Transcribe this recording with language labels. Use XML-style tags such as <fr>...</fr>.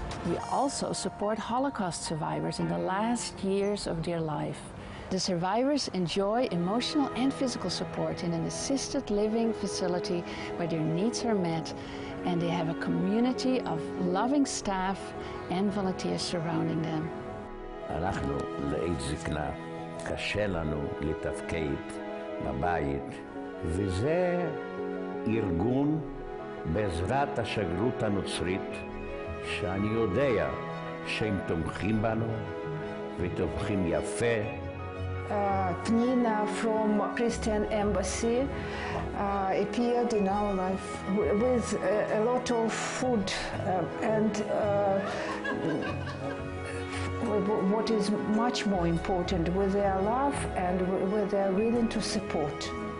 <en>We also support Holocaust survivors in the last years of their life. The survivors enjoy emotional and physical support in an assisted living facility where their needs are met, and they have a community of loving staff and volunteers surrounding them.</en> <he>אנחנו לעת זקנה קשה לנו לתפקד בבית, וזה ארגון בעזרת השגרירות הנוצרית שאני יודע שהם תומכים בנו ותומכים יפה.</he> <en>Pnina from Christian Embassy appeared in our life with a lot of food and what is much more important, with their love and with their willing to support.</en>